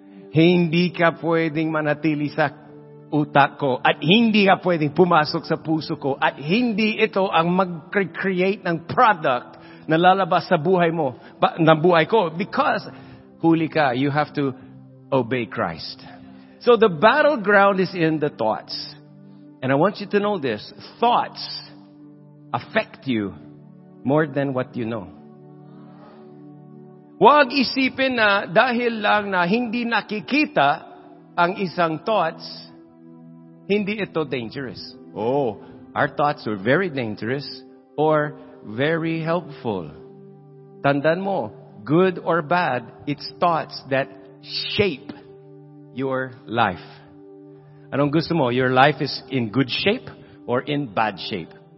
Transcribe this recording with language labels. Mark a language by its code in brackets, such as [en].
[tl] Hindi ka pwedeng manatili sa utak ko. At hindi ka pwedeng pumasok sa puso ko. At hindi ito ang mag-create ng product na lalabas sa buhay mo. Ng buhay ko. [en] Because [tl] huli ka, [en] you have to obey Christ. So the battleground is in the thoughts. And I want you to know this. Thoughts affect you more than what you know. [tl] Huwag isipin na dahil lang na hindi nakikita ang isang thoughts, hindi ito dangerous. [en] Oh, our thoughts are very dangerous or very helpful. [tl] Tandaan mo, [en] good or bad, it's thoughts that shape your life. [tl] Anong gusto mo? [en] Your life is in good shape or in bad shape?